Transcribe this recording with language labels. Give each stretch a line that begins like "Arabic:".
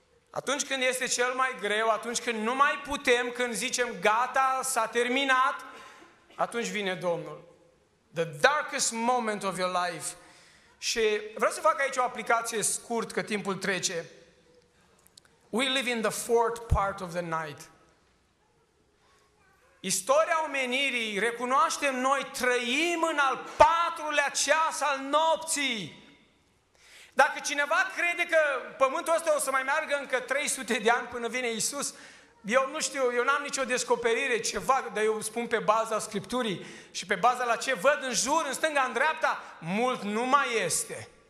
Romanian: Atunci când este cel mai greu, atunci când nu mai putem, când zicem gata, s-a terminat, atunci vine Domnul.
English: The darkest moment of your life.
Romanian: Și vreau să fac aici o aplicație scurt, că timpul trece.
English: We live in the fourth part of the night.
Romanian: Istoria omenirii, recunoaștem noi, trăim în al patrulea ceas al nopții. Dacă cineva crede că pământul ăsta o să mai meargă încă 300 de ani până vine Iisus, eu nu știu, eu n-am nicio descoperire, ceva, dar eu spun pe baza Scripturii și pe baza la ce văd în jur, în stânga, în dreapta, mult nu mai este.